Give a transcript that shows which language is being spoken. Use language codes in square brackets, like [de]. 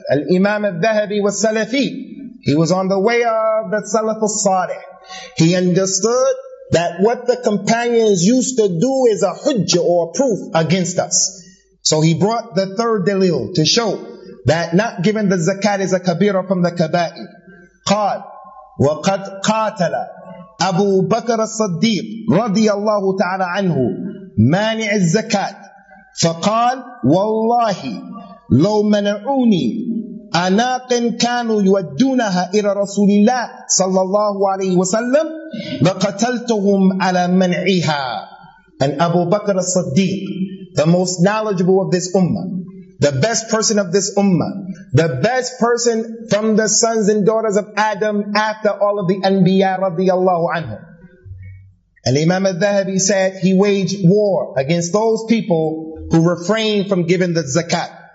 [en] Al-Imam al-Dhahabi was Salafi. He was on the way of the Salaf al-Salih. He understood that what the companions used to do is a hujjah or a proof against us. So he brought the third dalil to show that not giving the zakat is a kabira from the kabair. [ar] قال وَقَدْ قَاتَلَ أَبُو بَكَرَ الصَّدِّيقِ رَضِيَ اللَّهُ تَعَالَى عَنْهُ مَانِعِ الزَّكَاتِ فقال والله لو منعوني أناق كانوا يودونها إلى رسول الله صلى الله عليه وسلم لقتلتهم على منعها. [en] And Abu Bakr al-Siddiq, the most knowledgeable of this ummah, the best person of this ummah, the best person from the sons and daughters of Adam after all of the anbiya radiyallahu anhum. Al-Imam al-Dhahabi said he waged war against those people who refrained from giving the zakat.